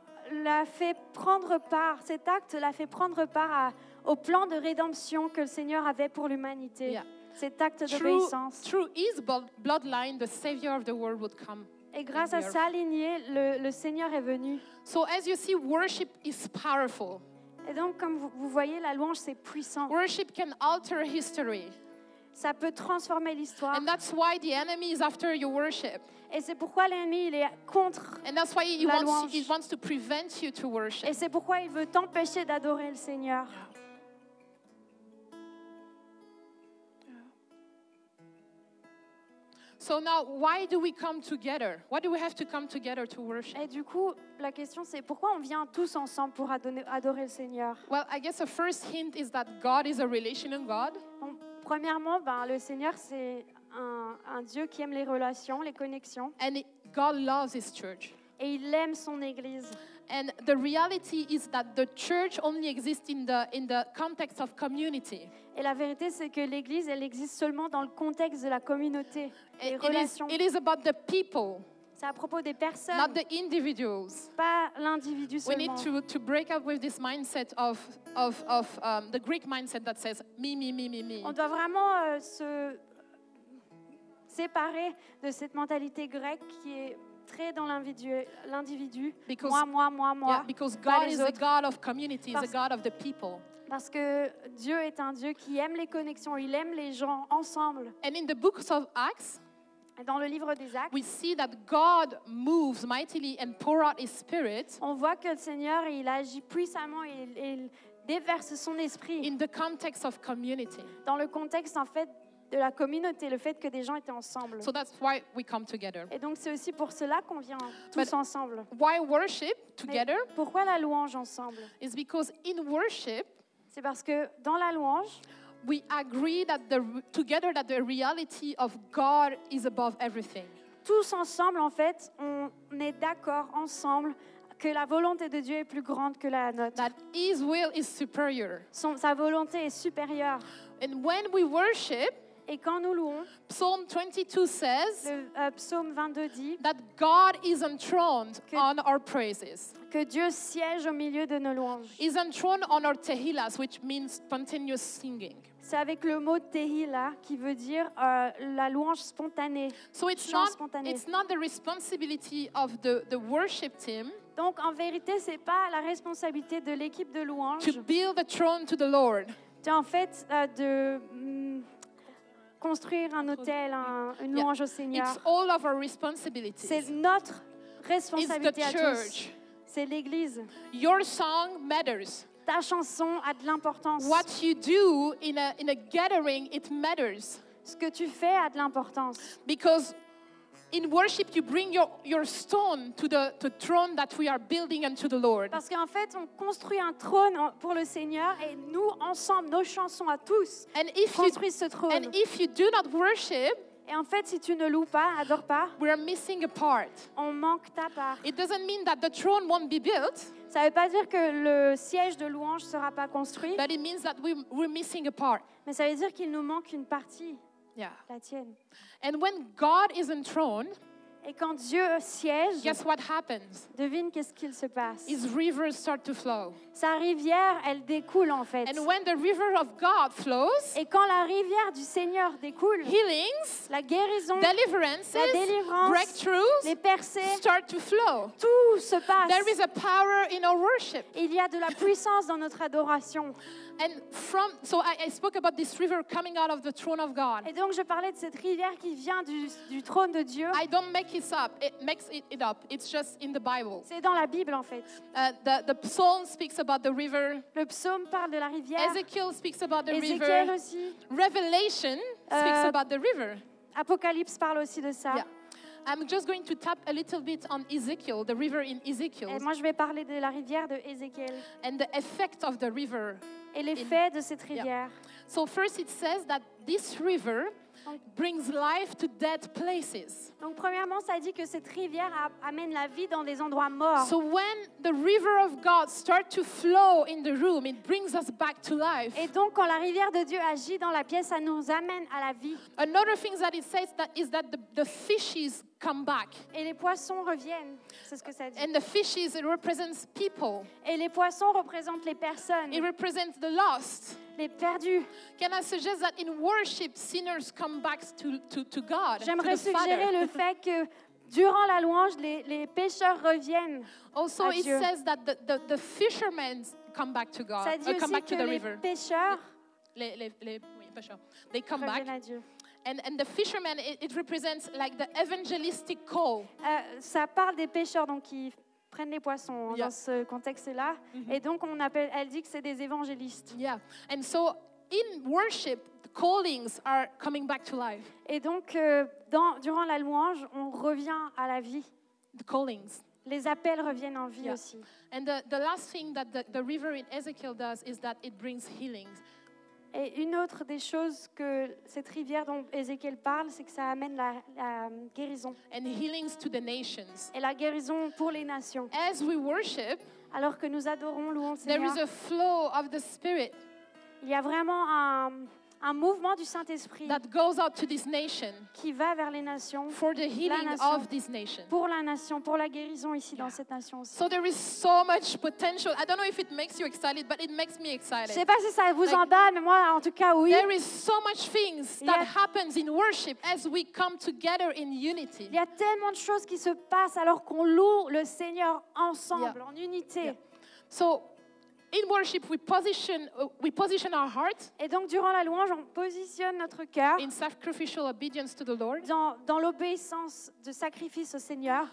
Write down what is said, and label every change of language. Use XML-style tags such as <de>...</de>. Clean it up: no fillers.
<fr>L'a fait prendre part, cet acte l'a fait prendre part au plan de rédemption que le Seigneur avait pour l'humanité.</fr> <en>Yeah.</en> <fr>Cet acte d'obéissance.</fr> <en>Through his bloodline, the Savior of the world would come.</en> <fr>Et grâce à sa lignée, le Seigneur est venu.</fr> <en>So as you see, worship is powerful.</en> <fr>Et donc, comme vous voyez, la louange, c'est puissant.</fr> <en>Worship can alter history.</en> <fr>Ça peut transformer l'histoire.</fr> <en>And that's why the enemy is after your worship.</en> <fr>Et c'est pourquoi l'ennemi il est contre la louange.</fr> <en>He wants to prevent you to worship.</en> <fr>Et c'est pourquoi il veut t'empêcher d'adorer le Seigneur.</fr> <en>So now, why do we come together? Why do we have to come together to worship?</en> <fr>Et du coup, la question c'est pourquoi on vient tous ensemble pour adorer le Seigneur?</fr> <en>Well, I guess the first hint is that God is a relational God.</en> <fr>Bon, premièrement, le Seigneur c'est un Dieu qui aime les relations, les connexions.</fr> <en>And God loves his church.</en> <fr>Et il aime son église.</fr> <en>And the reality is that the church only exists in the context of community.</en> <fr>Et la vérité c'est que l'église elle existe seulement dans le contexte de la communauté, les relations.</fr> <en>It is about the people.</en> <fr>C'est à propos des personnes.</fr> <en>Not the individuals.</en> <fr>Pas l'individu seulement.</fr> <en>We need to break up with this mindset of the Greek mindset that says me me me me me.</en> <fr>On doit vraiment se séparer de cette mentalité grecque qui est très dans l'individu,</fr> <en>because,</en> <fr>moi,</fr> <en>yeah, because God is a God of community, is a God of the people.</en> <fr>Parce que Dieu est un Dieu qui aime les connexions, il aime les gens ensemble.</fr> <en>And in the books of Acts,</en> <fr>dans le livre des Actes,</fr> <en>we see that God moves mightily and pour out his spirit.</en> <fr>On voit que le Seigneur, il agit puissamment et il déverse son esprit.</fr> <en>In the context of community.</en> <fr>Dans le contexte, en fait, de la communauté, le fait que des gens étaient ensemble.</fr> <en>So that's why we come together.</en> <fr>Et donc c'est aussi pour cela qu'on vient tous</fr> <en>But</en> <fr>ensemble.</fr> <en>Why worship together?</en> <fr>Mais pourquoi la louange ensemble?</fr> <en>It's because in worship,</en> <fr>c'est parce que dans la louange,</fr> <en>we agree that together that the reality of God is above everything.</en> <fr>Tous ensemble en fait, on est d'accord ensemble que la volonté de Dieu est plus grande que la nôtre.</fr> <en>That his will is superior.</en> <fr>Sa volonté est supérieure.</fr> <en>And when we worship,</en> <fr>et quand nous louons,</fr> <en>Psalm 22 says,</en> <fr>Psaume 22 dit,</fr> <en>that God is enthroned on our praises.</en> <fr>Que Dieu siège au milieu de nos louanges.</fr> <en>He's enthroned on our tehillas, which means spontaneous singing.</en> <fr>C'est avec le mot tehillah qui veut dire la louange spontanée.</fr> <en>So it's not the responsibility of the worship team.</en> <fr>Donc en vérité, c'est pas la responsabilité de l'équipe de louange.</fr> <en>To build the throne to the Lord.</en> <fr>C'est en fait de construire un hôtel, une louange au Seigneur.</fr> <en>It's all of our responsibilities.</en> <fr>C'est notre responsabilité à tous.</fr> <en>It's the church.</en> <fr>C'est l'église.</fr> <en>Your song matters.</en> <fr>Ta chanson a de l'importance.</fr> <en>What you do in a gathering, it matters.</en> <fr>Ce que tu fais a de l'importance.</fr> <en>Because in worship you bring your stone to the throne that we are building unto the Lord.</en> <fr>Parce qu'en fait on construit un trône pour le Seigneur et nous ensemble nos chansons à tous construisent ce trône.</fr> <en>And if you do not worship,</en> <fr>et en fait si tu ne loues pas, adores pas,</fr> <en>we are missing a part.</en> <fr>On manque ta part.</fr> <en>It doesn't mean that the throne won't be built.</en> <fr>Ça ne veut pas dire que le siège de louange ne sera pas construit.</fr> <en>But it means that we're missing a part.</en> <fr>Mais ça veut dire qu'il nous manque une partie.</fr> <en>Yeah.</en> <fr>La tienne.</fr> <en>And when God is enthroned,</en> <fr>et quand Dieu siège,</fr> <en>guess what happens?</en> <fr>Devine qu'est-ce qu'il se passe.</fr> <en>His rivers start to flow.</en> <fr>Sa rivière, elle découle en fait.</fr> <en>And when the river of God flows,</en> <fr>et quand la rivière du Seigneur découle,</fr> <en>healings,</en> <fr>la guérison,</fr> <en>deliverances,</en> <fr>la délivrance,</fr> <en>breakthroughs,</en> <fr>les percées,</fr> <en>start to flow.</en> <fr>Tout se passe.</fr> <en>There is a power in our worship.</en> <fr>Il y a de la puissance dans notre adoration.</fr> <en>And from, so I spoke about this river coming out of the throne of God.</en> <fr>Et donc je parlais de cette rivière qui vient du trône de Dieu.</fr> <en>I don't make it up. It makes it up. It's just in the Bible.</en> <fr>C'est dans la Bible en fait.</fr> <en>The psalm speaks about the river.</en> <fr>Le psaume parle de la rivière.</fr> <en>Ezekiel speaks about the Ezekiel river.</en> <fr>Ezekiel aussi.</fr> <en>Revelation speaks about the river.</en> <fr>Apocalypse parle aussi de ça.</fr> <en>Yeah. I'm just going to tap a little bit on Ezekiel, the river in Ezekiel.</en> <fr>Et moi je vais parler de la rivière de Ezekiel.</fr> <en>And the effect of the river.</en> <fr>Et l'effet de cette rivière.</fr> <en>Yeah. So first it says that this river brings life to dead places.</en> <fr>Donc premièrement ça dit que cette rivière amène la vie dans des endroits morts.</fr> <en>So when the river of God starts to flow in the room, it brings us back to life.</en> <fr>Et donc quand la rivière de Dieu agit dans la pièce, ça nous amène à la vie.</fr> <en>Another thing that it says that is that the fishes come back.</en> <fr>Et les poissons reviennent, c'est ce que ça dit.</fr> <en>And the fishes, it represents people.</en> <fr>Et les poissons représentent les personnes.</fr> <en>It represents the lost.</en> <fr>Les perdus.</fr> <en>Can I suggest that in worship, sinners come back to God?</en> <fr>J'aimerais</fr> <en>to the</en> <fr>suggérer</fr> <en>Father.</en> <fr>Le fait que durant la louange, les pécheurs reviennent</fr> <en>also,</en> <fr>à Dieu.</fr> <en>Also, it says that the fishermen come back to God.</en> <fr>Ça dit</fr> <en>come back to the river.</en> <fr>Les pêcheurs. Les pêcheurs.</fr> <en>They come back.</en> <fr>Reviennent à Dieu.</fr> <en>And the fishermen, it represents like the evangelistic call.</en> <fr>Ça parle des pêcheurs donc qui prennent les poissons</fr> <en>yeah.</en> <fr>dans ce contexte-là. Mm-hmm. Et donc on appelle, elle dit que c'est des évangélistes.</fr> <en>Yeah. And so in worship, the callings are coming back to life.</en> <fr>Et donc durant la louange, on revient à la vie.</fr> <en>The callings.</en> <fr>Les appels reviennent en vie</fr> <en>yeah.</en> <fr>aussi.</fr> <en>And the last thing that the river in Ezekiel does is that it brings healings.</en> <fr>Et une autre des choses que cette rivière dont Ézéchiel parle, c'est que ça amène la guérison.</fr> <en>And healings to the nations.</en> <fr>Et la guérison pour les nations.</fr> <en>As we worship,</en> <fr>alors que nous adorons, louons</fr> <en>Seigneur, there is a flow of the Spirit.</en> <fr>Il y a vraiment un mouvement du Saint-Esprit</fr> <en>that goes out to this nation,</en> <fr>qui va vers les nations,</fr> <en>for the healing nation, of this nation.</en> <fr>Pour la nation, pour la guérison ici</fr> <en>yeah.</en> <fr>dans cette nation aussi.</fr> <en>So there is so much potential. I don't know if it makes you excited, but it makes me excited.</en> <fr>Je sais pas si ça vous emballe, mais moi en tout cas oui.</fr> <en>There is so much things that happens in worship as we come together in unity.</en> <fr>Il y a tellement de choses qui se passent alors qu'on loue le Seigneur ensemble en unité.</fr> <en>So in worship, we position our heart.</en> <fr>Et donc durant la louange, on positionne notre cœur.</fr> <en>In sacrificial obedience to the Lord.</en> <fr>Dans l'obéissance de sacrifice au Seigneur.</fr>